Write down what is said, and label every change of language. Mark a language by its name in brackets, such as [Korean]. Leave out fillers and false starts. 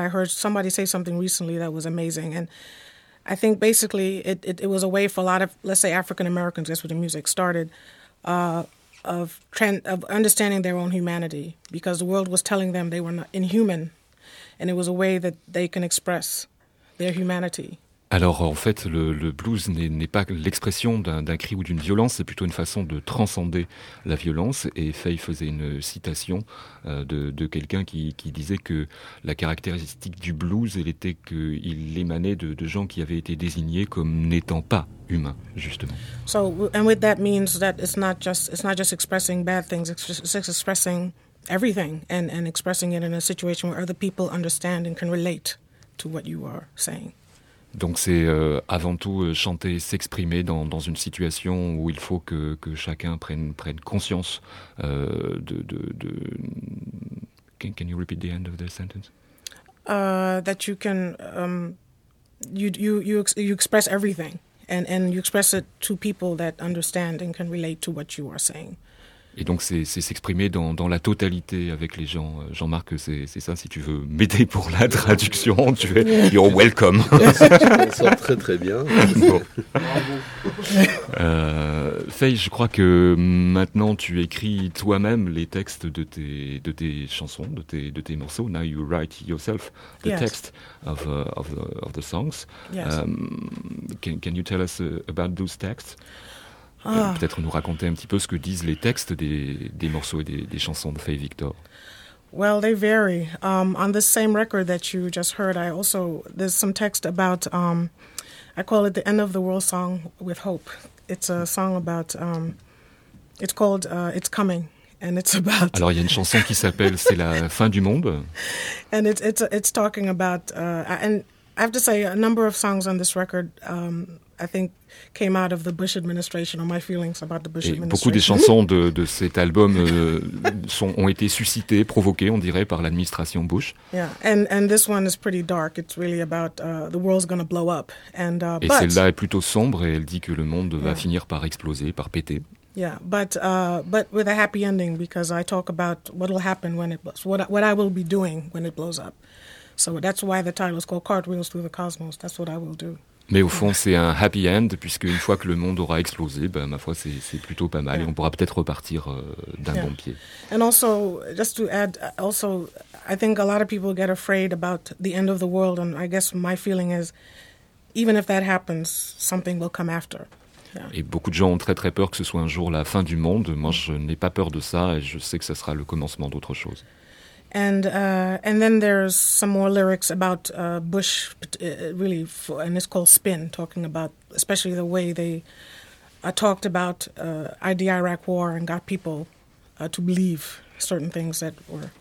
[English] I heard somebody say something recently that was amazing, and I think basically it was a way for a lot of, let's say, African Americans, that's where the music started, of understanding their own humanity, because the world was telling them they were not inhuman, and it was a way that they can express their humanity. [French] Alors en fait, le blues n'est pas l'expression d'un cri ou d'une violence, c'est plutôt une façon de transcender la violence. Et Faye faisait une citation de quelqu'un qui disait que la caractéristique du blues, elle était qu'il émanait de gens qui avaient été désignés comme n'étant pas humains, justement. [English] So, and with that means that it's not just expressing bad things, it's expressing everything and expressing it in a situation where other people understand and can relate to what you are saying. [French] Donc c'est avant tout chanter, s'exprimer dans une situation où il faut que chacun prenne conscience de... [English] Can you repeat the end of the sentence? That you can you express everything and you express it to people that understand and can relate to what you are saying. [French] Et donc c'est s'exprimer dans la totalité avec les gens. Jean-Marc, c'est ça, si tu veux m'aider pour la traduction, tu es [English] you're welcome. [French] Ça sort très très bien. Bravo. Faye, je crois que maintenant tu écris toi-même les textes de tes chansons, de tes morceaux. [English] Now you write yourself the yes. text of the songs. Yes. Can you tell us about those texts? [French] Peut-être nous raconter un petit peu ce que disent les textes des morceaux et des chansons de Faye Victor. [English] Well, they vary. On the same record that you just heard, I also there's some text about I call it the end of the world song with hope. It's a song about it's called It's Coming and it's about. [French] Alors il y a une chanson qui s'appelle C'est la fin du monde. [English] And it's talking about and I have to say a number of songs on this record. I think came out of the Bush administration or my feelings about the Bush administration. Beaucoup des chansons de cet album ont été suscitées, provoquées, on dirait, par l'administration Bush. Yeah, and this one is pretty dark. It's really about the world's going to blow up. And [French] et celle-là est plutôt sombre et elle dit que le monde va finir par exploser, par péter. [English] Yeah, but with a happy ending because I talk about what will happen when it blows, what I will be doing when it blows up. So that's why the title is called Cartwheels Through the Cosmos. That's what I will do. [French] Mais au fond, c'est un happy end, puisque une fois que le monde aura explosé, ben, ma foi, c'est plutôt pas mal, et on pourra peut-être repartir d'un bon pied. [English] And also, just to add, also, I think a lot of people get afraid about the end of the world, and I guess my feeling is, even if that happens, something will come after. Yeah. [French] Et beaucoup de gens ont très très peur que ce soit un jour la fin du monde. Moi, je n'ai pas peur de ça, et je sais que ça sera le commencement d'autre chose. [English] And then there's some more lyrics about Bush, really, and it's called Spin, talking about especially the way they talked about the Iraq war and got people to believe certain things that were.